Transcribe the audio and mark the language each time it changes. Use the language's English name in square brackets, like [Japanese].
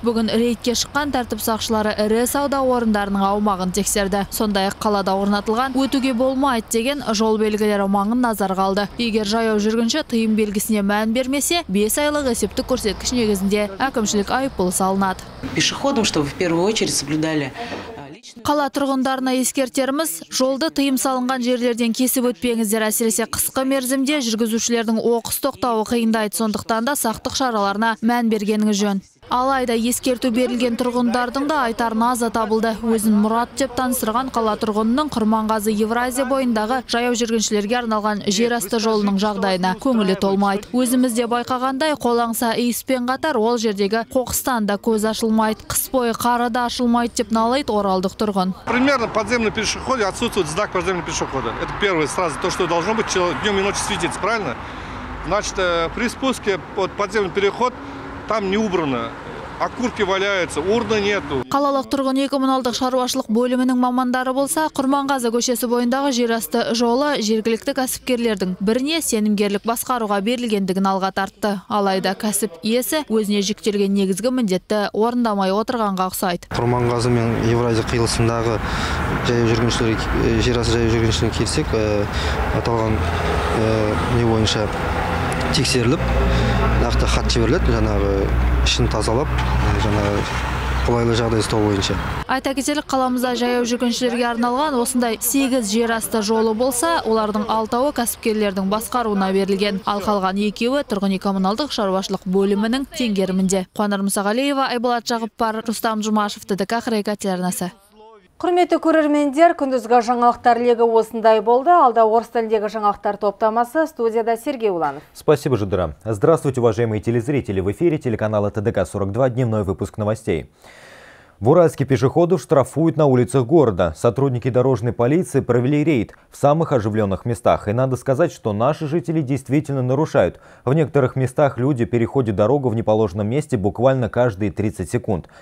[Kazakh] Бүгін рейдке шыққан тәртіп сақшылары ірі сауда орындарының аумағын тексерді. Сондай қалада орнатылған өтуге болмайды деген жол белгілері маңын назарға алды. Егер жаяу жүргінші тыйым белгісіне мән бермесе, 5 айлық есептік көрсеткіш негізінде әкімшілік айыппұл салынады. [Russian] Пешеходам, чтобы в первую очередь соблюдали. [Kazakh] Қала тұрғындарына ескертеріміз, жолды тыйым салынған жерлерден кесіп өтпеңіздер. Әсіресе қысқы мерзімде жүргізушілердің оқыс тоқтауы қиындайды, сондықтан да сақтық шараларына мән бергеніңіз жөн. Алайда ескерту берілген тұрғындардың да айтар назы табылды. Өзін Мұрат деп таныстырған қала тұрғынының Құрманғазы Евразия бойындағы жаяу жүргіншілерге арналған жерасты жолының жағдайына көңілі толмайды. Өзімізде байқағандай қолаңса иіспен қатар ол жердегі қоқыстан да көз ашылмайды. Қыс бойы қары да ашылмайды деп налайды оралдық тұрғын. [Russian] Примерно подземный пешеходе отсутствует знак подземного пешехода. Это первое сразу то, что должно быть днем и ночью светиться, правильно? Значит, при спуске под подземный переход там не убрано. Окурки валяются, урны нету. [Kazakh] Қалалық тұрғын үй коммуналдық шаруашылық бөлімінің мамандары болса, Құрманғазы көшесі бойындағы жерасты жолы жергілікті кәсіпкерлердің біріне сенімгерлік басқаруға берілгендігін алға тартты. Алайда кәсіп иесі өзіне жүктелген негізгі міндетті орындамай отырғанға ұқсайды. Құрманғазы мен Евразия қиылысындағы жаяу жүргіншілерге келсек, аталған не бойынша тексеріліп, нақты хат жіберіледі, жаңағы ішін тазалап, жаңағы қолайлы жағдай сақтау бойынша. Айта кетелік, қаламызда жаяу жүргіншілерге арналған осындай 8 жерасты жолы болса, олардың 6-уы кәсіпкерлердің басқаруына берілген, ал қалған 2-уі тұрғын үй коммуналдық шаруашылық бөлімінің теңгерімінде. Қуанар Мұсағалиева, Айболат Жағыппар, Рустам Жұмашев, ТДК Қырғайқы, телеарнасы. Құрметті көрермендер, күндізгі жаңалықтар легі осындай болды. Алда орыс тіліндегі жаңалықтар топтамасы студияда Сергей Уланов. [Russian] Спасибо, Жудыра. Здравствуйте, уважаемые телезрители. В эфире телеканала ТДК 42. Дневной выпуск новостей. В Уральске пешеходов штрафуют на улицах города. Сотрудники дорожной полиции провели рейд в самых оживленных местах. И надо сказать, что наши жители действительно нарушают. В некоторых местах люди переходят дорогу в неположенном месте буквально каждые 30 секунд.